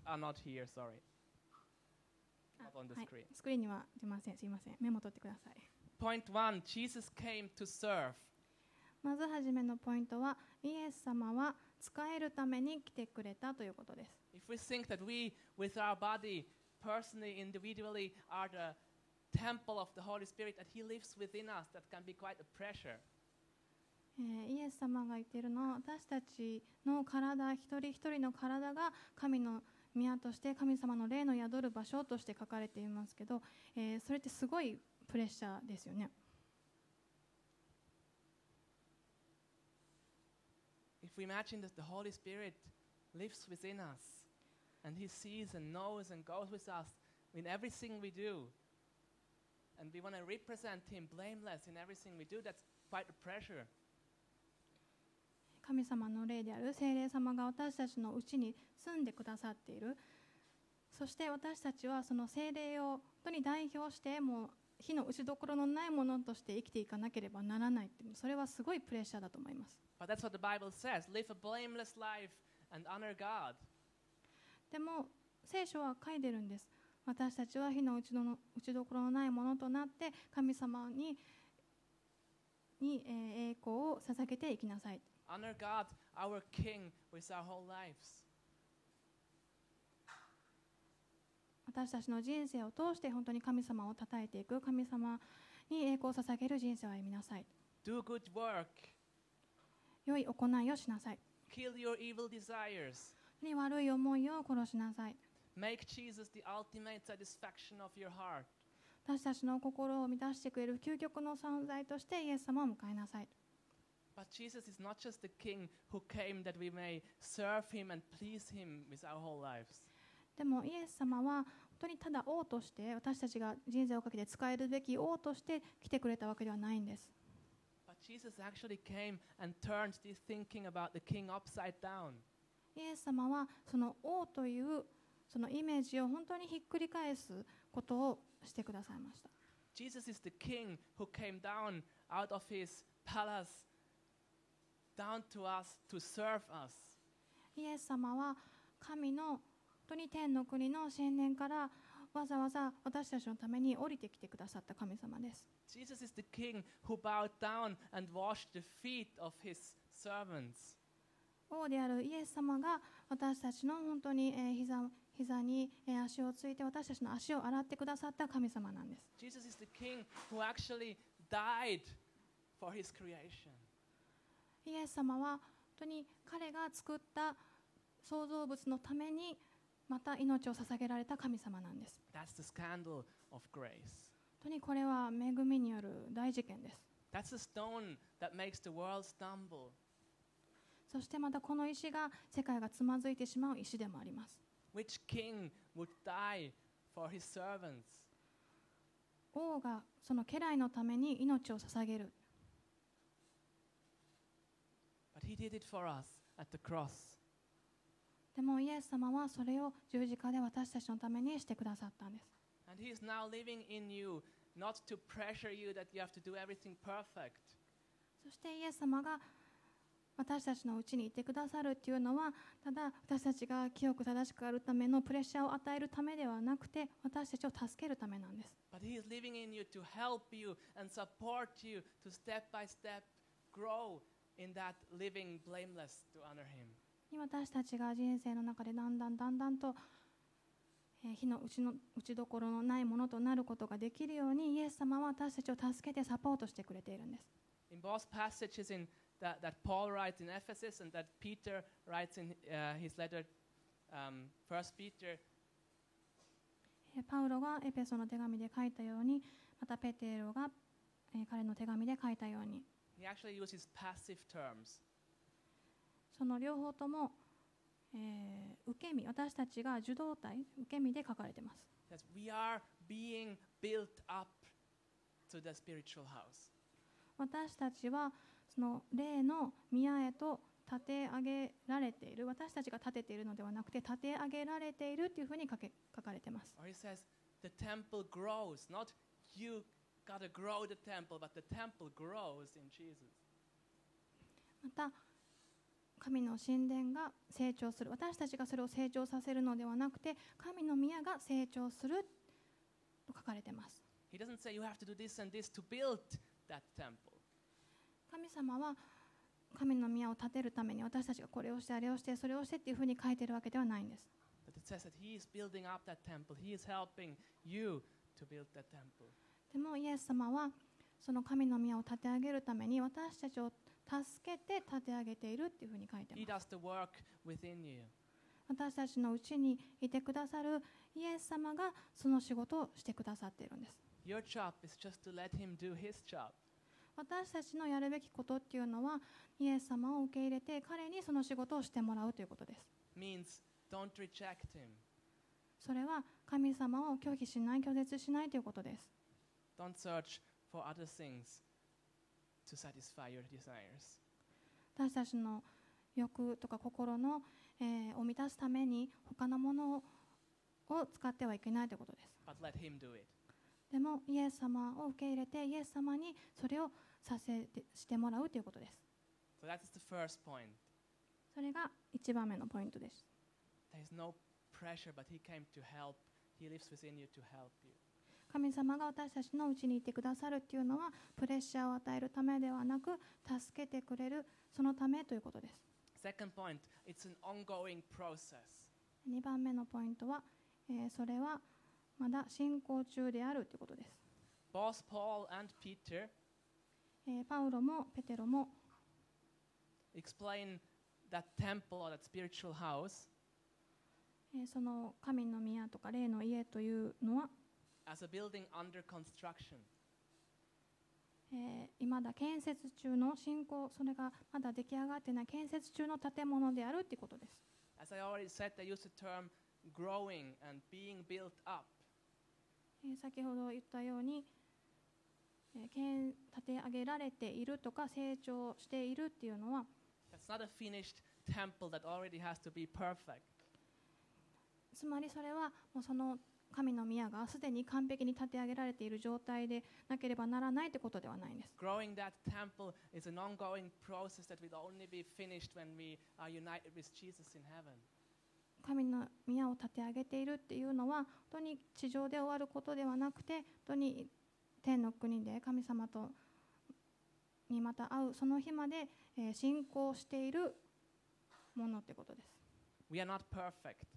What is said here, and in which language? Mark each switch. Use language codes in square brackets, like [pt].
[en] Points are not here, sorry. Not on the screen. [ja] はい、スクリーンには出ません。すいません。メモ取ってください。 [en] Point one, Jesus came to serve. [ja] まずはじめのポイントは、イエス様は使えるために来てくれたということです。 [en] If we think that we, with our body,Personally, individually, are the temple of the Holy Spirit that He lives within us. That can be quite a pressure. [ja] イエス様が言っているのは、私たちの体、一人一人の体が神の宮として、神様の霊の宿る場所として書かれていますけど、それってすごいプレッシャーですよね。 [en] If we imagine that the Holy Spirit lives within us. And he sees and knows and goes with us in everything we do. And we want to represent him blameless in everything we do. That's quite a pressure. [ja] 神様の霊である聖霊様が私たちのうちに住んでくださっている。そして私たちはその聖霊を本当に代表して、もう火の打ち所のないものとして生きていかなければならないって、それはすごいプレッシャーだと思います。 [en] But that's what the Bible says. Live a blameless life and honor God. [ja] でも聖書は書いてるんです。私たちは火の打ちどころのないものとなって神様 に栄光を捧げていきなさい。 [en] Honor God, our King, with our whole lives. [ja] 私たちの人生を通して本当に神様を讃えていく、神様に栄光を捧げる人生を歩みなさい。 [en] Do good work. [ja] 良い行いをしなさい。 [en] Kill your evil desires. [ja] に悪い思いを殺しなさい。 [en] Make Jesus the ultimate satisfaction of your heart. [ja] 私たちの心を満たしてくれる究極の存在としてイエス様を迎えなさい。 [en] But Jesus is not just the King who came that we may serve Him and please Him with our whole lives. [ja] でもイエス様は本当にただ王として私たちが人生をかけて使えるべき王として来てくれたわけではないんです。 [en] But Jesus actually came and turned this thinking about the King upside down. [ja] イエス様はその王というそのイメージを本当にひっくり返すことをしてくださいました。 [en] Jesus is the king who came down out of his palace down to us to serve us. [ja] イエス様は神の本当に天の国の神殿からわざわざ私たちのために降りてきてくださった神様です。 [en] Jesus is the king who bowed down and washed the feet of his servants. [ja] 王であるイエス様が私たちの本当に 膝に足をついて私たちの足を洗ってくださった神様なんです。 [en] Jesus is the king who actually died for his creation. [ja] イエス様は本当に彼が作った創造物のためにまた命を捧げられた神様なんです。 [en] That's the scandal of grace. [ja] 本当にこれは恵みによる大事件です。 [en] That's the stone that makes the world stumble. [ja] そしてまたこの石が世界がつまずいてしまう石でもあります。 [en] Which king would die for his servants? [ja] 王がその家来のために命を捧げる。 [en] But he did it for us at the cross. [ja] でもイエス様はそれを十字架で私たちのためにしてくださったんです。 [en] And he is now living in you, not to pressure you that you have to do everything perfect. [ja] そしてイエス様が私たちのうちにいてくださるというのは、ただ私たちが清く正しくあるためのプレッシャーを与えるためではなくて、私たちを助けるためなんです。 [en] But he is living in you to help you and support you to step by step grow in that living blameless to honor him. [ja] 私たちが人生の中でだんだんだんだんと火の打ちどころのないものとなることができるように、イエス様は私たちを助けてサポートしてくれているんです。 [en] In both passages inThat Paul writes in Ephesus and that Peter writes in his letter, 1 Peter. [ja] パウロがエペソの手紙で書いたように、またペテロが彼の手紙で書いたように。 [en] He actually uses passive terms. [ja] その両方とも、受け身、私たちが受動態、受け身で書かれています。 [en] That we are being built up to the spiritual house. [ja] 私たちはその霊の宮へと立て上げられている、私たちが立てているのではなくて立て上げられているというふうに書かれています。 [en] Or he says the temple grows, not you got to grow the temple, but the temple grows in Jesus. [ja] また神の神殿が成長する、私たちがそれを成長させるのではなくて神の宮が成長すると書かれています。 [en] He doesn't say you have to do this and this to build that temple. [ja] 神様は神の宮を建てるために私たちがこれをしてあれをしてそれをしてっていうふうに書いてるわけではないんです。でもイエス様はその神の宮を建て上げるために私たちを助けて建て上げているっていうふうに書いてます。 [en] He does the work within you. [ja] 私たちのうちにいてくださるイエス様がその仕事をしてくださっているんです。 [en] Your job is just to let him do his job. [ja] 私たちのやるべきことっていうのはイエス様を受け入れて彼にその仕事をしてもらうということです。 [en] Means don't reject him. [ja] それは神様を拒否しない、拒絶しないということです。 [en] Don't search for other things to satisfy your desires. [ja] 私たちの欲とか心の、を満たすために他のものを使ってはいけないということです。 [en] But let him do it. [ja] でもイエス様を受け入れてイエス様にそれをさせてしてもらうということです。 [en] So that's the first point. [ja] それが一番目のポイントです。 [en] There is no pressure, but he came to help. He lives within you to help you. [ja] 神様が私たちのうちにいてくださるというのはプレッシャーを与えるためではなく助けてくれるそのためということです。 [en] Second point, it's an ongoing process. [ja] 二番目のポイントは、それはまだ進行中であるということです。 [en] Both Paul and Peter [ja] パウロもペテロも [en] explain that temple or that spiritual house [ja] その神の宮とか霊の家というのは [en] as a building under construction [ja] 未だ建設中の進行、それがまだ出来上がっていない建設中の建物であるということです。 [en] As I already said, they use the term growing and being built up. [ja] 先ほど言ったように、建て上げられているとか成長しているっていうのは [en] That's not a finished temple that already has to be perfect. [ja] つまりそれはもうその神の宮がすでに完璧に建て上げられている状態でなければならないってことではないんです。 [en] Growing that temple is an ongoing process that will only be finished when we are united with Jesus in heaven. [ja] 神の宮を建て上げているっていうのは本当に地上で終わることではなくて本当に天の国で神様とにまた会うその日まで信仰しているものってことです。 [en] We are not perfect.